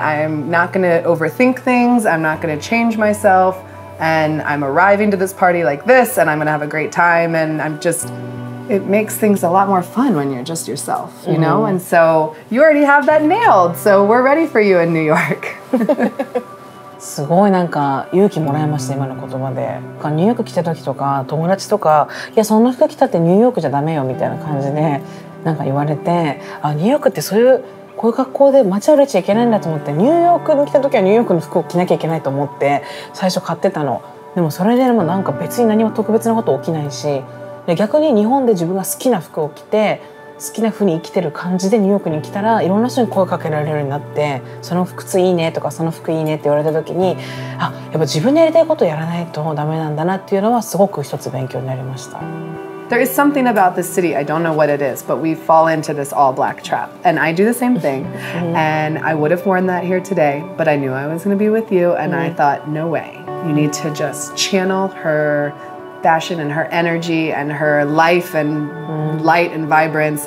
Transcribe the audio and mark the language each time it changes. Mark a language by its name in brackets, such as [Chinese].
[English] I'm not going to overthink things. I'm not going to change myself. And I'm arriving to this party like this and I'm going to have a great time. And I'm justIt makes things a lot more fun when you're just yourself, you know? And so you already have that nailed, so we're ready for you in New York. [Japanese] すごいなんか勇気もらいました今の言葉で。ニューヨーク来た時とか友達とか、いやそんな人来たってニューヨークじゃダメよみたいな感じでなんか言われて、あ、ニューヨークってそういうこういう格好で街歩いちゃいけないんだと思って、ニューヨークに来た時はニューヨークの服を着なきゃいけないと思って最初買ってたの。でもそれでもなんか別に何も特別なこと起きないし、逆に日本で自分が好きな服を着て好きな風に生きてる感じでニューヨークに来たら、いろんな人に声かけられるようになって、その靴いいねとかその服いいねって言われた時に、あ、やっぱ自分でやりたいことをやらないとダメなんだなっていうのはすごく一つ勉強になりました。 [English] There is something about this city, I don't know what it is, but we fall into this all black trap. And I do the same thing. And I would have worn that here today, but I knew I was going to be with you. And I thought, no way. You need to just channel her fashion and her energy and her life and light and vibrance.